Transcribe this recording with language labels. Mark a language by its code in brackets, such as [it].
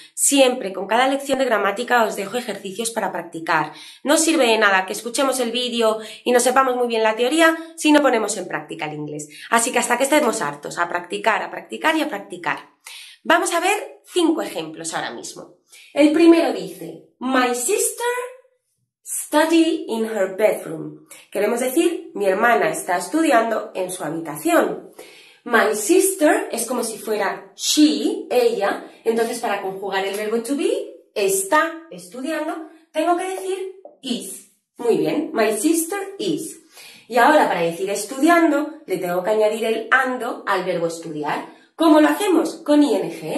[es] Siempre, con cada lección de gramática, os dejo ejercicios para practicar. No sirve de nada que escuchemos el vídeo y no sepamos muy bien la teoría si no ponemos en práctica el inglés. Así que hasta que estemos hartos, a practicar, a practicar y a practicar. Vamos a ver 5 ejemplos ahora mismo. El primero dice, [en] my sister study in her bedroom. [es] Queremos decir, mi hermana está estudiando en su habitación. [en] My sister [es] es como si fuera she, ella. Entonces, para conjugar el verbo to be, está estudiando, tengo que decir is. Muy bien, [en] my sister is. [es] Y ahora, para decir estudiando, le tengo que añadir el ando al verbo estudiar. ¿Cómo lo hacemos? Con ing.